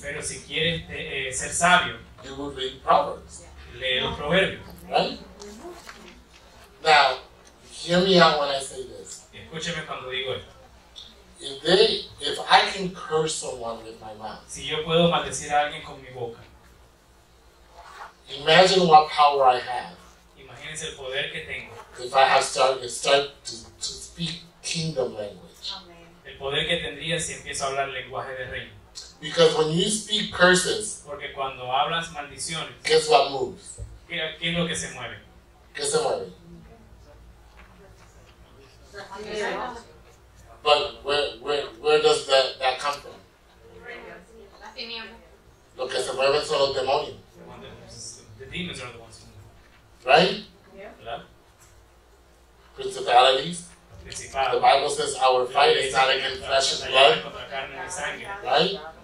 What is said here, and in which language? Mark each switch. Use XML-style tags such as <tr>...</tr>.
<es>pero si quieres ser sabio,</es> <en>you would read Proverbs.</en> <es>Lee los Proverbios.</es> <en>Right? Now, hear me out when I say this.</en> <es>Escúcheme cuando digo esto.</es> <en>If I can curse someone with my mouth,</en> <es>si yo puedo maldecir a alguien con mi boca,</es> <en>imagine what power I have.</en> <es>Imagínense el poder que tengo.</es> <en>If I have started to speak kingdom language, amen.</en> <es>El poder que tendría si empiezo a hablar lenguaje de reino.</es> <en>Because when you speak curses,</en> <es>porque cuando hablas maldiciones,</es> <en>guess what moves?</en> <es>¿Qué es lo que se mueve? ¿Qué se mueve?</es> <en>But where does that come from?</en> <es>Lo que se mueve son los demonios.</es> <en>The demons are the ones who move. Right? Yeah. Principalities. The Bible says our fight is not against flesh and blood. Right?</en>